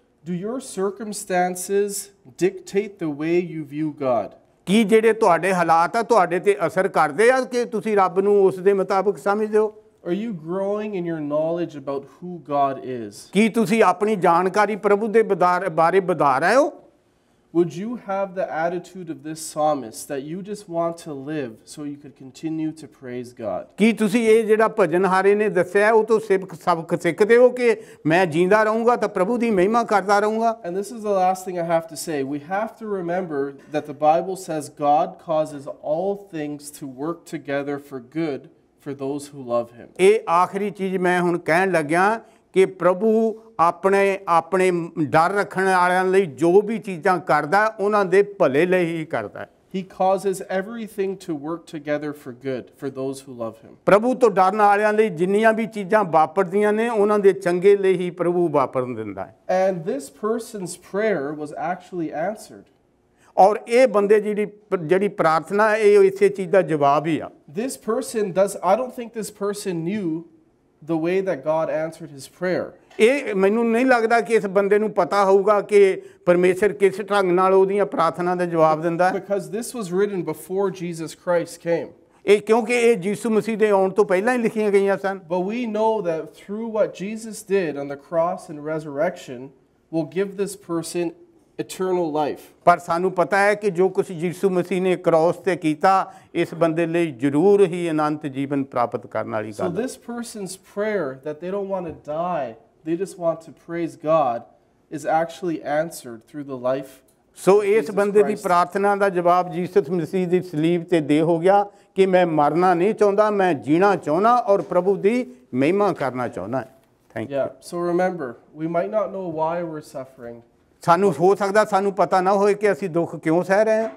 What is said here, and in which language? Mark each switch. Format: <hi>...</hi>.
<en>do your circumstances dictate the way you view God</en> <pa>ਕੀ ਜਿਹੜੇ ਤੁਹਾਡੇ ਹਾਲਾਤ ਆ ਤੁਹਾਡੇ ਤੇ ਅਸਰ ਕਰਦੇ ਆ ਕਿ ਤੁਸੀਂ ਰੱਬ ਨੂੰ ਉਸ ਦੇ ਮੁਤਾਬਕ ਸਮਝਦੇ ਹੋ</pa> <en>are you growing in your knowledge about who God is</en> <pa>ਕੀ ਤੁਸੀਂ ਆਪਣੀ ਜਾਣਕਾਰੀ ਪ੍ਰਭੂ ਦੇ ਬਾਰੇ ਵਧਾ ਰਹੇ ਹੋ</pa> <en>Would you have the attitude of this psalmist that you just want to live so you could continue to praise God?</en> <pa>ਕੀ ਤੁਸੀਂ ਇਹ ਜਿਹੜਾ ਭਜਨ ਹਾਰੇ ਨੇ ਦੱਸਿਆ ਉਹ ਤੋਂ ਸਿਰਫ ਸਬਕ ਸਿੱਖਦੇ ਹੋ ਕਿ ਮੈਂ ਜੀਂਦਾ ਰਹੂੰਗਾ ਤਾਂ ਪ੍ਰਭੂ ਦੀ ਮਹਿਮਾ ਕਰਦਾ ਰਹੂੰਗਾ?</pa> <en>And this is the last thing I have to say. We have to remember that the Bible says God causes all things to work together for good for those who love him.</en> <pa>ਇਹ ਆਖਰੀ ਚੀਜ਼ ਮੈਂ ਹੁਣ ਕਹਿਣ ਲੱਗਿਆਂ ਕਿ ਪ੍ਰਭੂ ਆਪਣੇ ਆਪਣੇ ਡਰ ਰੱਖਣ ਵਾਲਿਆਂ ਲਈ ਜੋ ਵੀ ਚੀਜ਼ਾਂ ਕਰਦਾ ਉਹਨਾਂ ਦੇ ਭਲੇ ਲਈ ਹੀ ਕਰਦਾ ਹੈ।</pa> <en>He causes everything to work together for good for those who love him.</en> <pa>ਪ੍ਰਭੂ ਤੋਂ ਡਰਨ ਵਾਲਿਆਂ ਲਈ ਜਿੰਨੀਆਂ ਵੀ ਚੀਜ਼ਾਂ ਵਾਪਰਦੀਆਂ ਨੇ ਉਹਨਾਂ ਦੇ ਚੰਗੇ ਲਈ ਹੀ ਪ੍ਰਭੂ ਵਾਪਰਨ ਦਿੰਦਾ ਹੈ।</pa> <en>And this person's prayer was actually answered.</en> <pa>ਔਰ ਇਹ ਬੰਦੇ ਜਿਹੜੀ ਪ੍ਰਾਰਥਨਾ ਹੈ ਇਹ ਇਸੇ ਚੀਜ਼ ਦਾ ਜਵਾਬ ਹੀ ਆ।</pa> <en>This person does I don't think this person knew the way that God answered his prayer.</en> <pa>ਇਹ ਮੈਨੂੰ ਨਹੀਂ ਲੱਗਦਾ ਕਿ ਇਸ ਬੰਦੇ ਨੂੰ ਪਤਾ ਹੋਊਗਾ ਕਿ ਪਰਮੇਸ਼ਰ ਕਿਸ ਢੰਗ ਨਾਲ ਉਹਦੀਆਂ ਪ੍ਰਾਰਥਨਾ ਦਾ ਜਵਾਬ ਦਿੰਦਾ ਹੈ।</pa> <en>Because this was written before Jesus Christ came.</en> <pa>ਇਹ ਕਿਉਂਕਿ ਇਹ ਯਿਸੂ ਮਸੀਹ ਦੇ ਆਉਣ ਤੋਂ ਪਹਿਲਾਂ ਹੀ ਲਿਖੀਆਂ ਗਈਆਂ ਸਨ।</pa> <en>But we know that through what Jesus did on the cross and resurrection will give this person eternal life.</en> <pa>ਪਰ ਸਾਨੂੰ ਪਤਾ ਹੈ ਕਿ ਜੋ ਕੁਝ ਯਿਸੂ ਮਸੀਹ ਨੇ ਕ੍ਰਾਸ ਤੇ ਕੀਤਾ ਇਸ ਬੰਦੇ ਲਈ ਜ਼ਰੂਰ ਹੀ ਅਨੰਤ ਜੀਵਨ ਪ੍ਰਾਪਤ ਕਰਨ ਵਾਲੀ ਗੱਲ ਹੈ।</pa> <en>So this person's prayer that they don't want to die, they just want to praise God, is actually answered through the life.</en> <pa>So ਇਸ ਬੰਦੇ ਦੀ ਪ੍ਰਾਰਥਨਾ ਦਾ ਜਵਾਬ ਯਿਸੂ ਮਸੀਹ ਦੀ ਸਲੀਬ ਤੇ ਦੇ ਹੋ ਗਿਆ ਕਿ ਮੈਂ ਮਰਨਾ ਨਹੀਂ ਚਾਹੁੰਦਾ, ਮੈਂ ਜੀਣਾ ਚਾਹੁੰਦਾ ਔਰ ਪ੍ਰਭੂ ਦੀ ਮਹਿਮਾ ਕਰਨਾ ਚਾਹੁੰਦਾ।</pa> <en>Thank you. Yeah, so remember, we might not know why we're suffering.</en> <pa>ਸਾਨੂੰ ਹੋ ਸਕਦਾ ਸਾਨੂੰ ਪਤਾ ਨਾ ਹੋਏ ਕਿ ਅਸੀਂ ਦੁੱਖ ਕਿਉਂ ਸਹਿ ਰਹੇ ਹਾਂ।</pa>